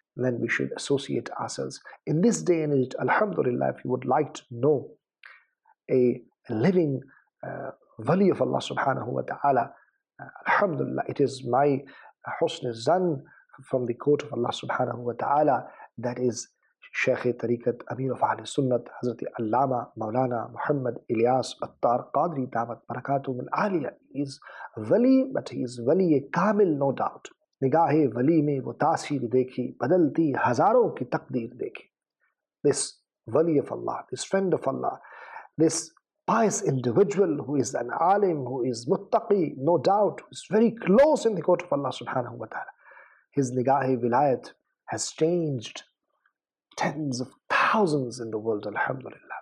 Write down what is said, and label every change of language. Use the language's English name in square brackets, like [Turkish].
[English] Then we should associate ourselves. In this day and age, alhamdulillah, if you would like to know a living wali of Allah subhanahu wa ta'ala, alhamdulillah, it is my husn zan from the court of Allah subhanahu wa ta'ala, that is Shaykh Tariqat Amir of Ahli Sunnat, Hazrat Allama Maulana Muhammad Ilyas Attar Qadri Damat Barakatum Al Aliya. He is wali, but he is wali kamil, no doubt. [Urdu] نگاہِ ولی میں وہ تاثیر دیکھی بدلتی ہزاروں کی تقدیر دیکھی. [English] This wali of Allah, this friend of Allah, this pious individual who is an alim, who is muttaqi, no doubt, who is very close in the court of Allah subhanahu wa ta'ala. His [Urdu] نگاہِ ولایت [English] has changed tens of thousands in the world, alhamdulillah.